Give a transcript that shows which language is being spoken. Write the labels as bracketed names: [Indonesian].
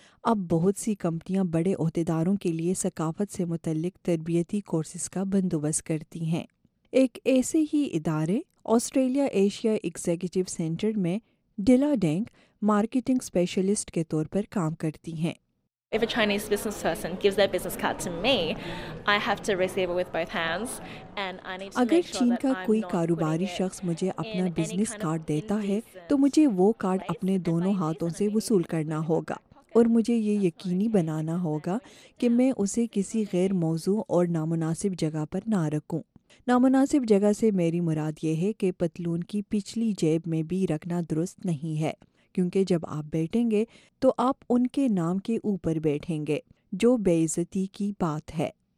[Urdu] اب بہت سی کمپنیاں بڑے عہدیداروں کے لیے ثقافت سے متعلق تربیتی کورسز کا بندوبست کرتی ہیں۔ ایک ایسے ہی ادارے آسٹریلیا ایشیا ایگزیکٹو سینٹر میں ڈیلا ڈینگ مارکیٹنگ اسپیشلسٹ کے طور پر کام کرتی ہیں. [English] If a Chinese business person gives their business card to me, I have to receive it with both hands and I need to make [Urdu] اگر چین کا کوئی کاروباری شخص مجھے اپنا بزنس کارڈ دیتا ہے تو مجھے وہ کارڈ اپنے دونوں ہاتھوں سے وصول کرنا ہوگا اور مجھے یہ یقینی بنانا ہوگا کہ میں اسے کسی غیر موضوع اور نامناسب جگہ پر نہ رکھوں. نامناسب جگہ سے میری مراد یہ ہے کہ پتلون کی پچھلی جیب میں بھی رکھنا درست نہیں ہے, کیونکہ جب آپ بیٹھیں گے تو آپ ان کے نام کے اوپر بیٹھیں گے, جو بے عزتی کی بات ہے.